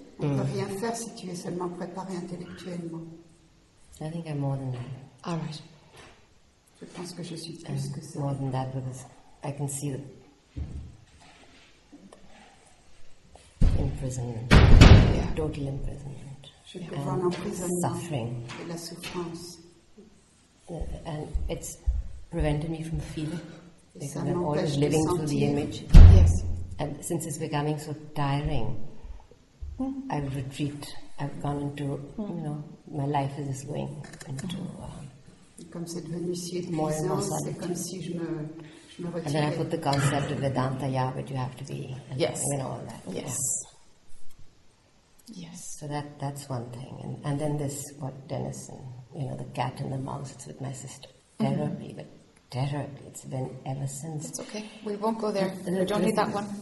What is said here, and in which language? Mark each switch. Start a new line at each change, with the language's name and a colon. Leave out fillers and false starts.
French: On peut rien faire si tu es seulement préparé intellectuellement.
English: I think I'm more than that. All right.
French: Je pense que je suis plus que ça.
English: More than that, because I can see the imprisonment. Yeah. Total imprisonment.
French: Je peux voir l'emprisonnement.
English: Suffering.
French: Et la souffrance.
English: And it's prevented me from feeling. Because I'm always living through the image. Yes. And since it's becoming so tiring, I've retreated. I've gone into, my life is just going into...
French: Comme c'est devenu si épuisant, c'est comme si je me retirais.
English: And then I put the concept of Vedanta, but you have to be... Yes. And all that. Yes. Yeah. Yes. So that's one thing. And then this, what Denison, the cat and the mouse, it's with my sister. Therapy, it's been ever since. It's okay, we won't go there. We don't need that one.